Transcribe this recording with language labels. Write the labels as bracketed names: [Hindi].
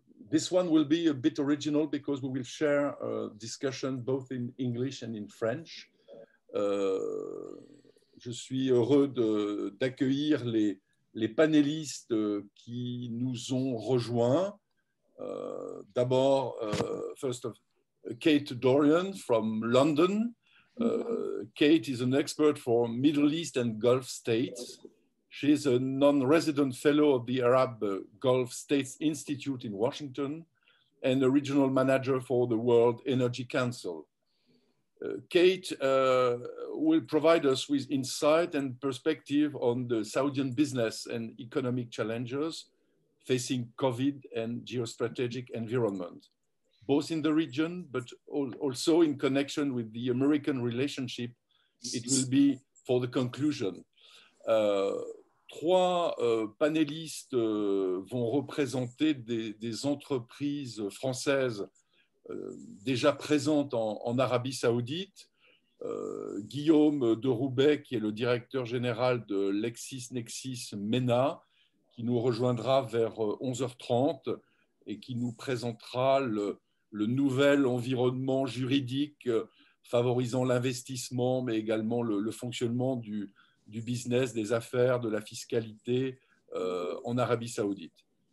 [English] This one will be a bit original because we will share a discussion both in English and in French. [French] Je suis heureux d'accueillir les panélistes qui nous ont rejoints. D'abord, [English] first of Kate Dorian from London. Kate is an expert for Middle East and Gulf States. She is a non-resident fellow of the Arab Gulf States Institute in Washington and a regional manager for the World Energy Council. Kate will provide us with insight and perspective on the Saudi business and economic challenges facing COVID and geostrategic environment, both in the region, but also in connection with the American relationship. It will be for the conclusion. [French] Trois panélistes vont représenter des entreprises françaises déjà présente en Arabie Saoudite. Guillaume de Roubaix, qui est le directeur général de LexisNexis MENA, qui nous rejoindra vers 11h30 et qui nous présentera le nouvel environnement juridique favorisant l'investissement, mais également le fonctionnement du business, des affaires, de la fiscalité en Arabie Saoudite.